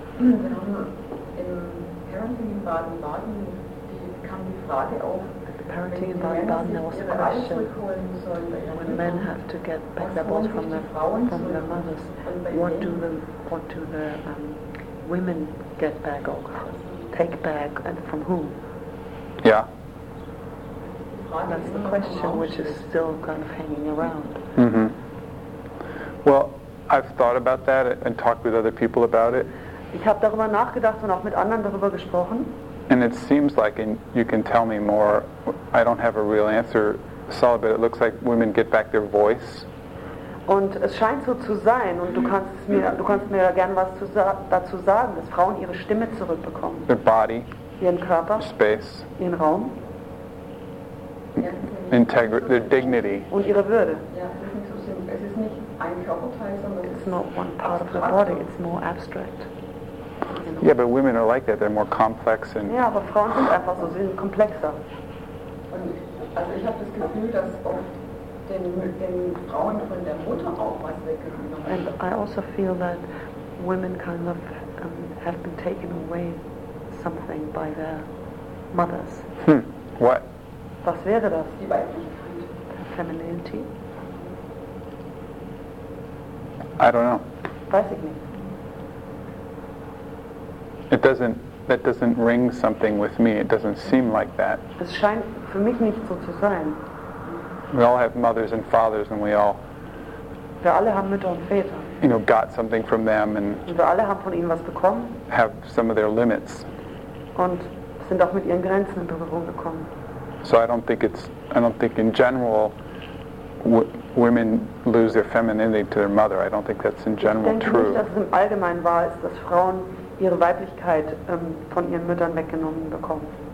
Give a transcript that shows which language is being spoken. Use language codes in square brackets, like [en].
[en] Apparently in Baden-Baden, there was a question when men have to get back their balls from their mothers, what do the women get back or take back and from whom? Yeah. That's the question which is still kind of hanging around. Mm-hmm. Well, I've thought about that and talked with other people about it. [de] Ich habe darüber nachgedacht und auch mit anderen darüber gesprochen. [en] And it seems like, and you can tell me more, I don't have a real answer, solid, but it looks like women get back their voice. [de] Und es scheint so zu sein, und du kannst mir gerne was dazu sagen, dass Frauen ihre Stimme zurückbekommen. [en] Their body. [de] Ihren Körper. [en] Space. [de] Ihren Raum. [en] Integrity. Their dignity. [de] Und ihre Würde. Es ist nicht ein Körperteil, sondern [en] it's not one part of the body, it's more abstract. Yeah, but women are like that. They're more complex and. [de] Ja, aber Frauen sind einfach so. Sie sind komplexer. Und also ich habe das Gefühl, dass oft den Frauen von der Mutter auch was weggenommen wird. [en] And I also feel that women kind of have been taken away something by their mothers. What? [de] Was wäre das? Die Weiblichkeit. [en] Femininity. I don't know. [de] Weiß ich nicht. [en] That doesn't ring something with me. It doesn't seem like that. [de] Es scheint für mich nicht so zu sein. [en] We all have mothers and fathers, and [de] wir alle haben Mütter und Väter. [en] You know, got something from them, and [de] wir alle haben von ihnen was bekommen. [en] Have some of their limits. [de] Und sind auch mit ihren Grenzen in Berührung gekommen. [en] So I don't think in general women lose their femininity to their mother. I don't think that's in general true. [de] Ich denke nicht, dass es im Allgemeinen wahr ist, dass Frauen ihre Weiblichkeit von ihren Müttern weggenommen bekommen.